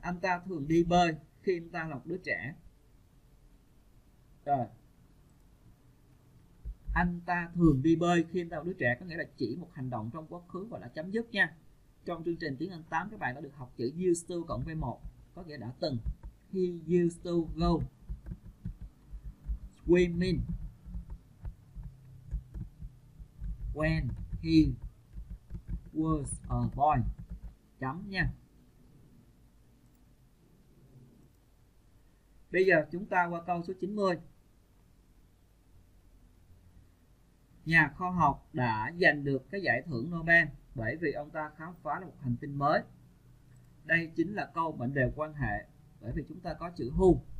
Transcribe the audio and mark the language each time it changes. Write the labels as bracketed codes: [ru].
[vi] Anh ta thường đi bơi khi anh ta là một đứa trẻ. Rồi. Anh ta thường đi bơi khi anh ta là một đứa trẻ có nghĩa là chỉ một hành động trong quá khứ và đã chấm dứt nha. Trong chương trình tiếng Anh 8 các bạn đã được học chữ used to cộng với 1. Có nghĩa đã từng. [en] He used to go swimming when he was a boy. [vi] Chấm nha. Bây giờ chúng ta qua câu số 90. Nhà khoa học đã giành được cái giải thưởng Nobel bởi vì ông ta khám phá ra một hành tinh mới. Đây chính là câu mệnh đề quan hệ bởi vì chúng ta có chữ who.